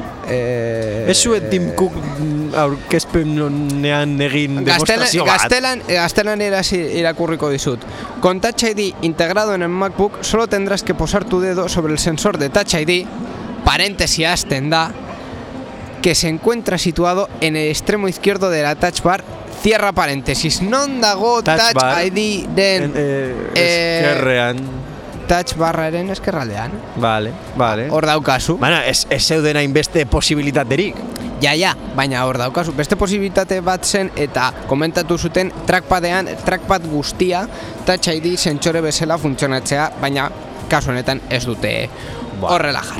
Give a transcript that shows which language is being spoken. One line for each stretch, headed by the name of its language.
Basque: Ez zuen Tim Cook aurkezpenean egin demostrazio bat. Gaztelan irakurriko dizut.
Spanish: Con Touch ID integrado en el MacBook, solo tendrás que posar tu dedo sobre el sensor de Touch ID, paréntesis
Basque: hasten da,
Spanish: que se encuentra situado en el extremo izquierdo de la Touch Bar, cierra paréntesis.
Basque: Non dago Touch ID den... Ezkerrean. Touch barraren eskerraldean. Vale. Hor daukazu. Baina, ez zeuden hainbeste posibilitaterik. Ja, baina hor daukazu. Beste posibilitate bat zen eta komentatu zuten trackpadean, trackpad guztia, Touch ID sentsore bezala funtzionatzea, baina kasu honetan ez dute horrela jarri.